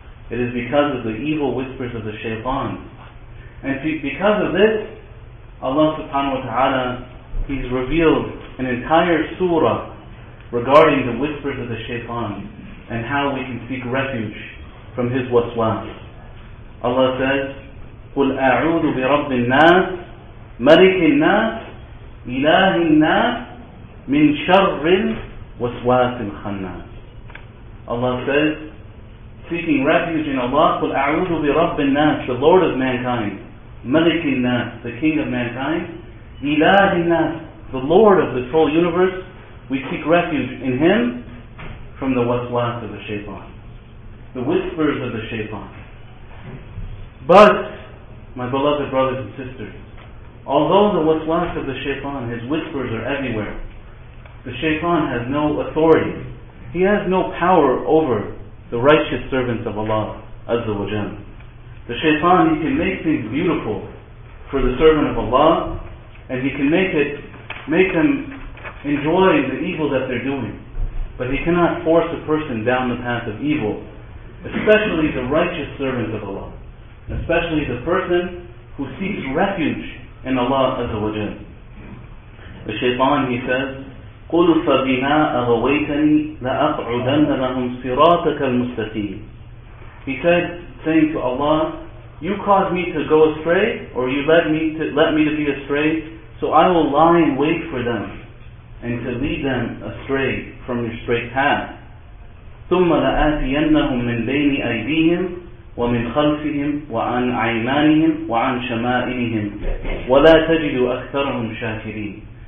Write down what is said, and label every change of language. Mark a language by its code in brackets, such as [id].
[en] It is because of the evil whispers of the shaitan. And because of this, Allah subhanahu wa ta'ala, He's revealed an entire surah regarding the whispers of the shaitan and how we can seek refuge from his waswas. Allah says, [ar] قُلْ أَعُوذُ بِرَبِّ النَّاسِ مَلِكِ النَّاسِ إِلَهِ النَّاسِ مِنْ شَرِّ الْوَسْوَاسِ الْخَنَّاسِ. [en] Allah says, seeking refuge in Allah, [ar] قُلْ أَعُوذُ بِرَبِّ النَّاسِ, [en] the Lord of mankind, [ar] مَلِكِ النَّاسِ, [en] the King of mankind, [ar] إِلَهِ النَّاسِ, [en] the Lord of this whole universe, we seek refuge in Him from the waswas of the shaitan, the whispers of the shaitan. But, my beloved brothers and sisters, although the waswas of the shaitan, his whispers are everywhere, the shaitan has no authority. He has no power over the righteous servants of Allah, Azza wa Jalla. The shaitan, he can make things beautiful for the servant of Allah, and he can make them enjoy the evil that they're doing. But he cannot force a person down the path of evil, especially the righteous servants of Allah, especially the person who seeks refuge in Allah Azza wa Jalla. The shaitan, he says, [ar] قُلْ فَبِمَا أَغَوَيْتَنِي لَأَقْعُدَنَّ لَهُمْ صِرَاطَكَ الْمُسْتَقِيمِ. [en] He said, saying to Allah, you caused me to go astray, or you let me to be astray, so I will lie in wait for them, and to lead them astray from your straight path. [ar] ثُمَّ لَآتِيَنَّهُمْ مِنْ بَيْنِ أَيْدِيهِمْ وَمِنْ خَلْفِهِمْ وَعَنْ عَيْمَانِهِمْ وَعَنْ شَمَائِلِهِمْ وَلَا تَجِدُ أَكْثَرَهُمْ شَاكِرِينَ.